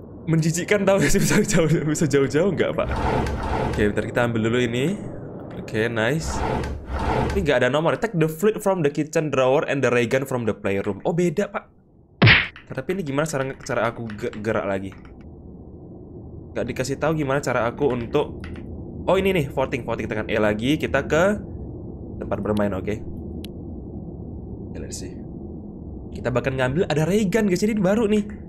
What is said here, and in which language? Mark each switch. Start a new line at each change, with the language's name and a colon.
Indonesian: Menjijikkan tau sih, bisa jauh-jauh nggak pak? Oke, bentar kita ambil dulu ini. Oke, nice. Tapi nggak ada nomor.
English: Take the flute from the kitchen drawer and the ray gun from the playroom.
Indonesian: Oh, beda pak. Tapi ini gimana cara aku gerak lagi? Nggak dikasih tahu gimana cara aku untuk... Oh, ini nih, voting. Tekan E lagi, kita ke tempat bermain, oke. Gila sih. Kita bahkan ngambil, ada ray gun guys, jadi ini baru nih.